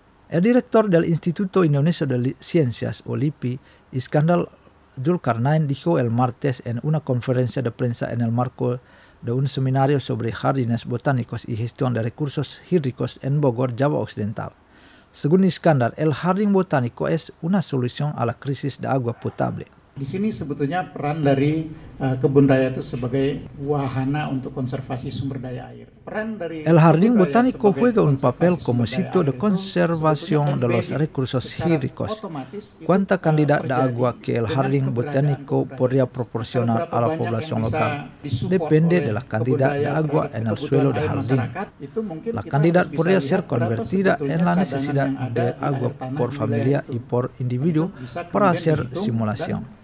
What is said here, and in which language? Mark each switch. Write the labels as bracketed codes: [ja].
[es] El director del Instituto Indonesio de Ciencias, o LIPI, Iskandar Zulkarnain, dijo el martes en una conferencia de prensa en el marco de un seminario sobre jardines botánicos y gestión de recursos hídricos en Bogor, Jawa Occidental. Según Iskandar, el jardín botánico es una solución a la crisis de agua potable. [id] Di sini sebetulnya peran dari kebun raya itu sebagai wahana untuk konservasi sumber daya air. Peran dari [es] El Jardín Botánico juega un papel como sitio de conservación de los recursos hídricos. ¿Cuánta cantidad de agua que el Jardín Botánico podría proporcionar a la población local? Depende de la cantidad de agua en el suelo del jardín. La cantidad podría ser convertida en la necesidad de agua por familia y por individuo para hacer simulación.